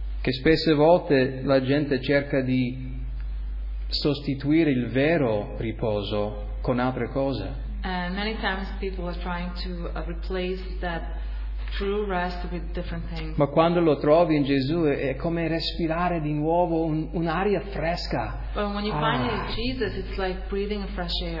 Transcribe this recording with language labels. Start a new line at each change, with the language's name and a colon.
Italian: Che spesse volte la gente cerca di sostituire il vero riposo con altre cose.
English: Many times people are trying to replace that true rest with different things.
Italian: Ma quando lo trovi in Gesù è come respirare di nuovo un'aria fresca.
English: But when you find it in Jesus, it's like breathing a fresh air.